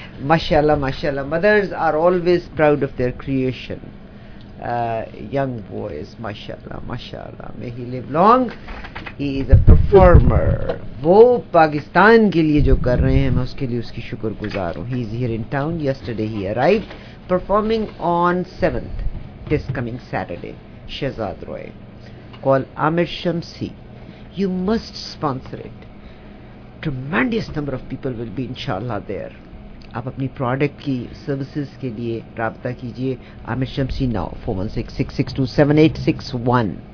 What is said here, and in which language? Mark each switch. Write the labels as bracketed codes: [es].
[en] ماشاءاللہ ماشاءاللہ، mothers are always proud of their creation. Young boys, mashallah, mashallah. May he live long. He is a performer. [ur] وہ پاکستان کے لیے جو کر رہے ہیں میں اس کے لیے اس کی شکر گزار ہوں. [en] He is here in town. Yesterday he arrived. Performing on 7th, this coming Saturday. Shahzad Roy. Call Amir Shamsi. You must sponsor it. Tremendous number of people will be, inshallah, there. [ur] آپ اپنی product کی services کے لیے رابطہ کیجیے عامر شمسی now 416-662-7861.